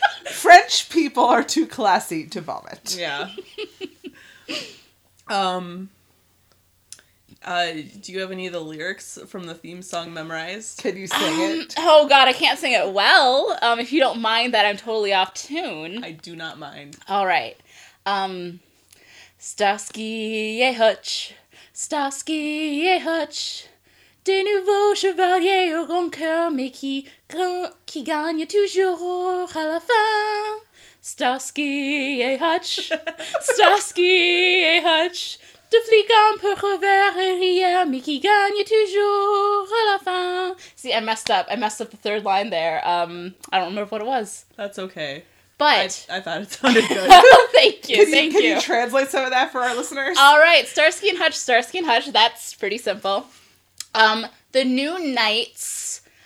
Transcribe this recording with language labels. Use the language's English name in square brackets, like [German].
[English] French people are too classy to vomit. Yeah. Do you have any of the lyrics from the theme song memorized? Can you sing it? Oh god, I can't sing it well, if you don't mind that I'm totally off tune. I do not mind. [French] All right, Starsky et Hutch, Starsky et Hutch, des nouveaux chevaliers au grand cœur, mais qui gagne toujours à la fin. Starsky et Hutch, Starsky et Hutch, De flic en peu revers et rien, mais qui gagne toujours à la fin. [English] See, I messed up. I messed up the third line there. I don't remember what it was. That's okay. But. I thought it sounded good. Thank you. Can you translate some of that for our listeners? All right. Starsky and Hutch, Starsky and Hutch. That's pretty simple. The new knights.